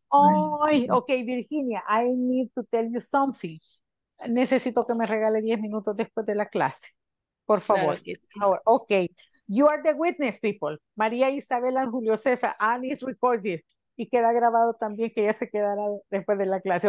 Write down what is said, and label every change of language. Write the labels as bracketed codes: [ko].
[en] Oh, okay, Virginia, I need to tell you something. [es] Necesito que me regale 10 minutos después de la clase. Por favor. Claro, sí. [en] Okay, you are the witness, people. María Isabel y Julio César, and it's recorded. [es] Y queda grabado también que ella se quedará después de la clase.